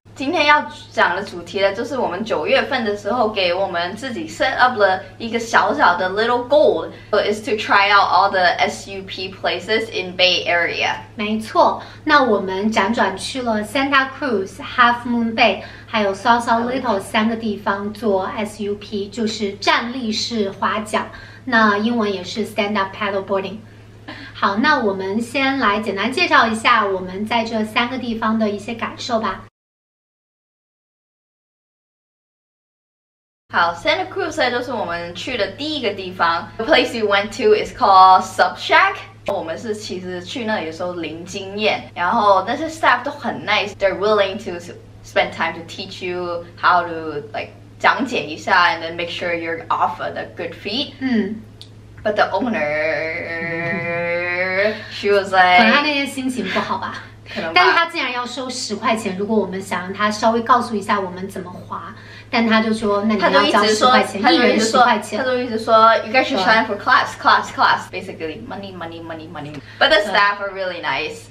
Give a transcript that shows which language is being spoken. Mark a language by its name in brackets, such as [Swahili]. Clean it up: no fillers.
[Chinese] 今天要讲的主题呢，就是我们九月份的时候给我们自己 [English] set up [Chinese] 了一个小小的 [English] little goal， is to try out all the SUP places in Bay Area。 [Chinese] 没错，那我们辗转去了 Santa Cruz、Half Moon Bay， 还有 Sausalito 三个地方做 SUP， 就是站立式划桨，那英文也是 [English] stand up paddle boarding。 [Chinese] 好，那我们先来简单介绍一下我们在这三个地方的一些感受吧。好， Santa Cruz 就是我们去的第一个地方。 [English] The place you went to is called Sup Shack。 [Chinese] 我们是其实去那里的时候零经验，然后但是 [English] staff [Chinese] 都很 [English] nice， they're willing to spend time to teach you how to like [Chinese] 讲解一下， [English] and then make sure you're offered a good fee。 But the owner she was like [Chinese] 可能他那天心情不好吧，可能吧，但他竟然要收十块钱。如果我们想让他稍微告诉一下我们怎么滑，但他就说那你要交十块钱，一人十块钱。他就一直说 [English] you guys should sign for class class [Chinese] class， [English] basically money money money money， but the staff are really nice。